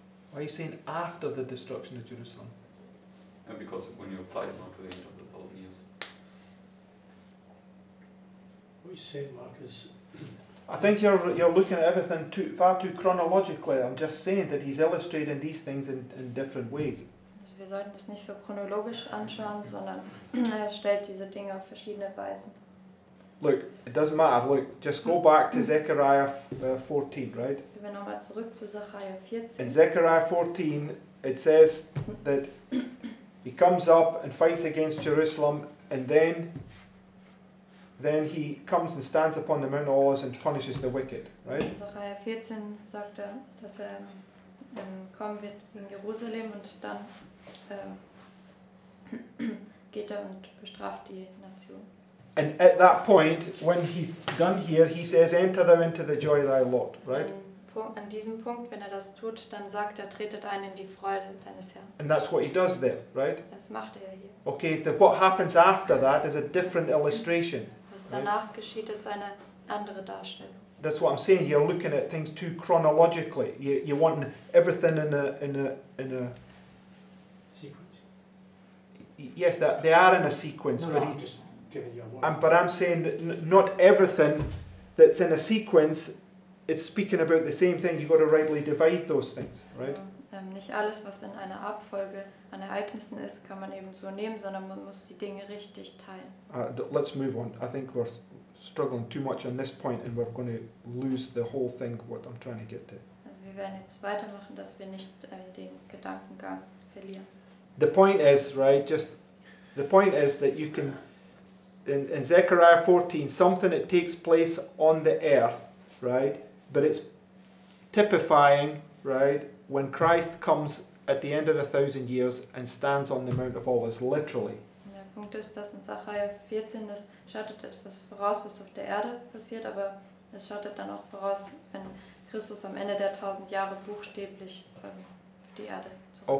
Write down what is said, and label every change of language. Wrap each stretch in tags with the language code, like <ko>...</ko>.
<en>Why are you saying after the destruction of Jerusalem? Yeah, because when you apply it now to the end of the 1,000 years. What are you saying, Marcus? I think you're looking at everything far too chronologically. I'm just saying that he's illustrating these things in different ways.</en> <de>Also wir sollten das nicht so chronologisch anschauen, sondern er stellt diese Dinge auf verschiedene Weisen.</de> <en>Look, it doesn't matter. Look, just go back to Zechariah 14, right?</en> <de>Wir gehen nochmal zurück zu Zechariah 14.</de> <en>In Zechariah 14, it says that he comes up and fights against Jerusalem, and then he comes and stands upon the Mount of Olives and punishes the wicked, right?</en> <de>Zechariah 14 sagt er, dass er kommen wird in Jerusalem und dann geht er und bestraft die Nation.</de> <en>And at that point, when he's done here, he says, enter thou into the joy of thy Lord, right?</en> <de>An diesem Punkt, wenn er das tut, dann sagt er, tretet ein in die Freude deines Herrn.</de> <en>And that's what he does there, right?</en> <de>Das macht er hier.</de> <en>Okay, what happens after that is a different illustration.</en> <de>Was danach geschieht, ist eine andere Darstellung.</de> <en>That's what I'm saying. You're looking at things too chronologically. You want everything in a sequence. Yes, that they are in a sequence. No, but I'm just giving you a word. But I'm saying that not everything that's in a sequence it's speaking about the same thing. You've got to rightly divide those things, right?</en> <de>So, nicht alles, was in einer Abfolge an Ereignissen ist, kann man eben so nehmen, sondern man muss die Dinge richtig teilen.</de> <en>Let's move on. I think we're struggling too much on this point, and we're going to lose the whole thing. What I'm trying to get to.</en> <de>Also, wir werden jetzt weitermachen, dass wir nicht den Gedankengang verlieren.</de> <en>The point is, right? Just the point is that you can. In Zechariah 14, something that takes place on the earth, right? But it's typifying, right, when Christ comes at the end of the 1,000 years and stands on the Mount of Olives, literally.</en> <de>Und der Punkt ist, dass in Zechariah 14 es schattet etwas voraus, was auf der Erde passiert, aber es schattet dann auch voraus, wenn Christus am Ende der 1,000 Jahre buchstäblich auf die Erde zurückkommt.</de>